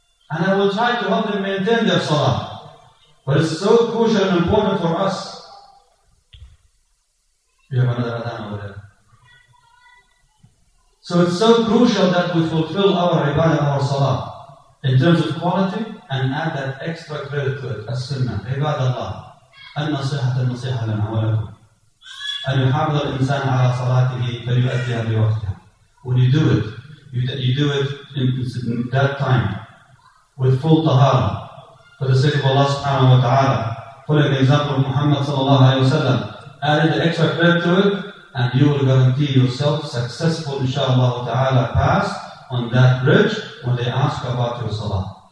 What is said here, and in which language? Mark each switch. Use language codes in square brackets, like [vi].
[en] And I will try to help them maintain their salah. But it's so crucial and important for us. We have another adhan over there. So it's so crucial that we fulfill our ibadah, our salah, in terms of quality, and add that extra credit to it, as sunnah, ibadallah. [ar] النصيحة النصيحة لنا ولكم أن يحافظ الإنسان على صلاته فليؤديها بوقتها. [en] When you do it, you do it in that time with full tahara for the sake of Allah subhanahu wa ta'ala. Following the example of Muhammad sallallahu alayhi wa sallam, added the extra credit to it, and you will guarantee yourself successful inshaAllah ta'ala pass on that bridge when they ask about your salah.